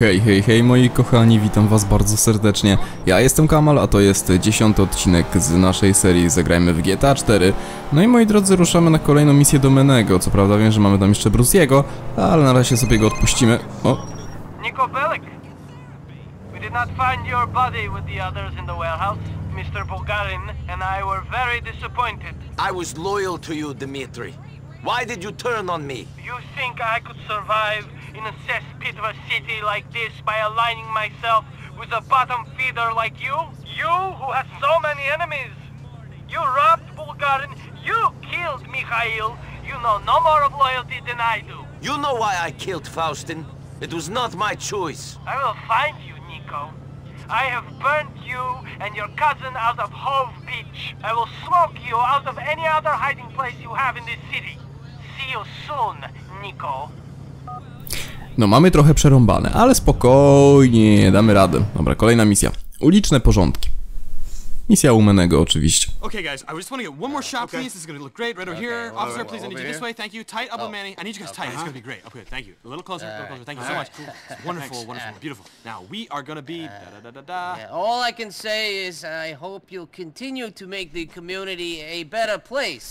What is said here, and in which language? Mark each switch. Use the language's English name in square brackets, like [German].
[Polish] Hej, hej, hej, moi kochani, witam was bardzo serdecznie. Ja jestem Kamal, a to jest 10 odcinek z naszej serii Zagrajmy w GTA 4. No i moi drodzy, ruszamy na kolejną misję do Menego. Co prawda wiem, że mamy tam jeszcze Bruce'ego, ale na razie sobie go odpuścimy. O! Nico Bellic! [English] We did not find your body with the others in the warehouse. Mr. Bulgarin and I were very disappointed. I was loyal to you, Dmitry. Why did you turn on me? You think I could survive in a cesspit of a city like this by aligning myself with a bottom feeder like you? You who has so many enemies! You robbed Bulgarin, you killed Mikhail! You know no more of loyalty than I do! You know why I killed Faustin? It was not my choice! I will find you, Nico! I have burnt you and your cousin out of Hove Beach! I will smoke you out of any other hiding place you have in this city! See you soon, Nico! [Polish] No, mamy trochę przerąbane, ale spokojnie, damy radę. Dobra, kolejna misja. Uliczne porządki. Misja u Menego, oczywiście. [English] Okay guys, I just want to get one more shot, okay. Please. This is going to look great right over here. Okay, officer, please, I need you this way. Thank you. Tight up, Manny. I need you guys tight. It's going to be great. Okay, thank you. A little closer, a little closer. Thank you so much. Cool. Wonderful, wonderful, beautiful. Now, we are going to be... All I can say is I hope you'll continue to make the community a better place.